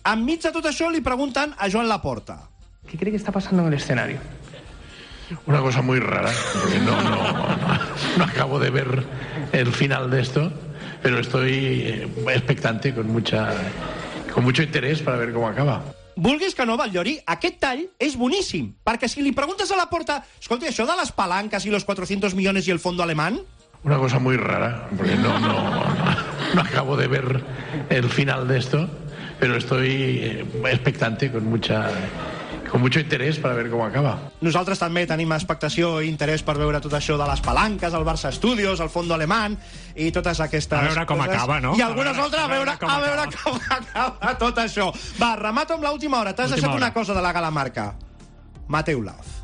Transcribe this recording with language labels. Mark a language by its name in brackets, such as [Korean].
[Catalan] Enmig de tot això li pregunten a Joan Laporta. [Spanish] ¿Qué cree que está pasando en el escenario? Una cosa muy rara, porque no acabo de ver el final de esto, pero estoy expectante, con mucho interés para ver cómo acaba. [Catalan] Vulguis que no, Valllori, aquest tall és boníssim, perquè si li preguntes a Laporta, escolti, això de les palanques i [Spanish] los 400 millones [Catalan] i el fondo alemán... [Spanish] Una cosa muy rara, porque no acabo de ver el final de esto, pero estoy expectante, con mucho interés para ver cómo acaba. [Catalan] Nosaltres també tenim expectació i interès per veure tot això de les palanques, el Barça Studios, el Fondo Alemán i totes aquestes coses. A veure com coses. Acaba, no? I algunes altres a veure com acaba tot això. Va, remato amb l'última hora. T'has deixat una cosa de la Gala Marca. Mateu Laoz.